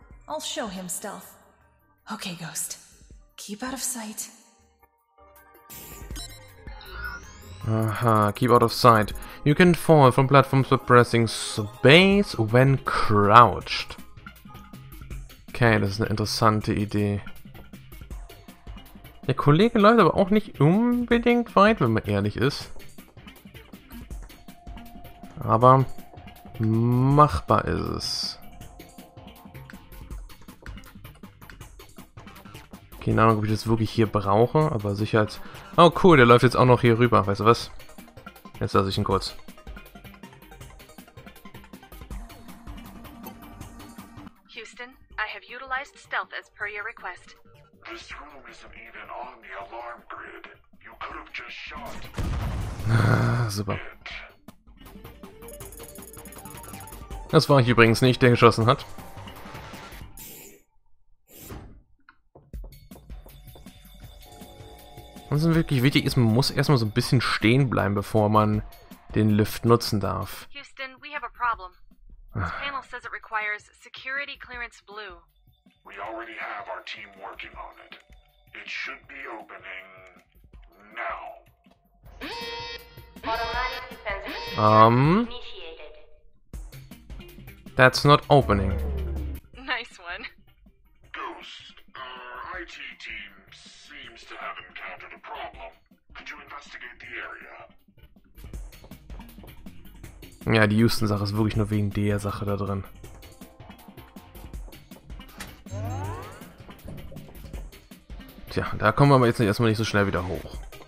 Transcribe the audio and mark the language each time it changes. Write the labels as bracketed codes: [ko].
[en] I'll show him stealth. Okay, Ghost. Keep out of sight. Aha, keep out of sight. You can fall from platforms by pressing space when crouched. [de] Okay, das ist eine interessante Idee. Der Kollege läuft aber auch nicht unbedingt weit, wenn man ehrlich ist. Aber machbar ist es. Keine Ahnung, ob ich das wirklich hier brauche, aber sicher als... Oh cool, der läuft jetzt auch noch hier rüber, weißt du was? Jetzt lasse ich ihn kurz. [en] Houston, I have utilized stealth as per your request. This room isn't even on the alarm grid. You could have just shot. [de] Super. Das war ich übrigens nicht, der geschossen hat. Was wirklich wichtig ist, man muss erstmal so ein bisschen stehen bleiben, bevor man den Lift nutzen darf. [en] Houston, we have a problem. This panel says it requires security clearance blue. We already have our team working on it. It should be opening now. That's not opening. Nice one. Ghost, our IT team seems to have encountered a problem. Could you investigate the area? [de] Ja, die Houston-Sache ist wirklich nur wegen der Sache da drin. Tja, da kommen wir aber jetzt erstmal nicht so schnell wieder hoch.